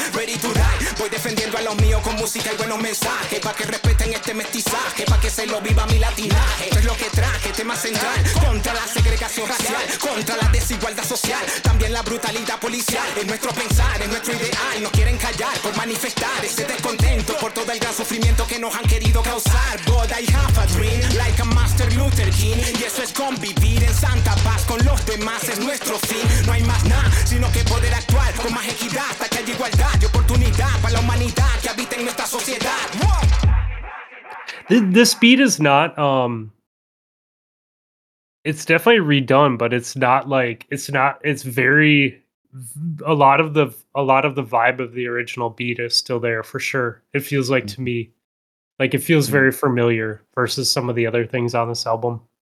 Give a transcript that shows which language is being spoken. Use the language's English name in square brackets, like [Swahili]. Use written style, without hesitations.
[English] Ready to die, [Spanish] voy defendiendo a los míos con música y buenos mensajes, pa' que respeten este mestizaje, pa' que se lo viva mi latinaje. Esto es lo que traje, tema central, contra la segregación racial, contra la desigualdad social, también la brutalidad policial. Es nuestro pensar, es nuestro ideal, nos quieren callar por manifestar ese descontento por todo el gran sufrimiento que nos han querido causar. [English] God, I have a dream, like a Master Luther King. [Spanish] Y eso es convivir en santa paz con los demás, es nuestro fin. No hay más nada, sino que poder actuar con más equidad, hasta que haya igualdad y oportunidad para la humanidad que habita en nuestra sociedad. [English] This beat is not, it's definitely redone, but it's not like, it's not, it's very, a lot of the vibe of the original beat is still there for sure. It feels like, to me, like, it feels very familiar versus some of the other things on this album.